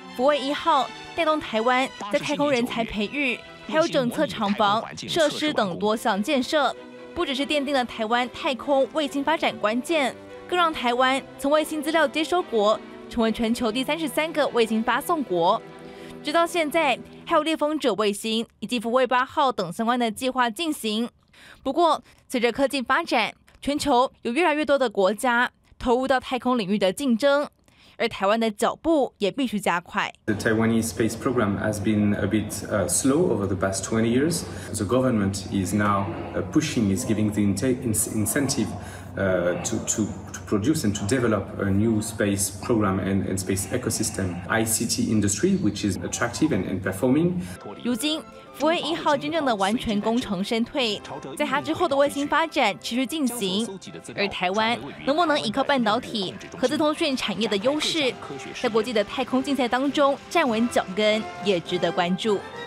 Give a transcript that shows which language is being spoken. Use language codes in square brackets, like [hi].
[zh] 福卫一号带动台湾在太空人才培育，还有整测厂房设施等多项建设，不只是奠定了台湾太空卫星发展关键，更让台湾从卫星资料接收国成为全球第33个卫星发送国。直到现在，还有猎风者卫星以及福卫八号等相关的计划进行。不过，随着科技发展，全球有越来越多的国家投入到太空领域的竞争，而台湾的脚步也必须加快。 [en] The Taiwanese space program has been a bit slow over the past 20 years. The government is now pushing, is giving the incentive to produce and to develop a new space program and space ecosystem ICT industry, which is attractive and performing. [zh] 如今，福卫一号真正的完全工程身退，在它之后的卫星发展持续进行，而台湾能不能依靠半导体、核子通讯产业的优势，在国际的太空竞赛当中站稳脚跟，也值得关注。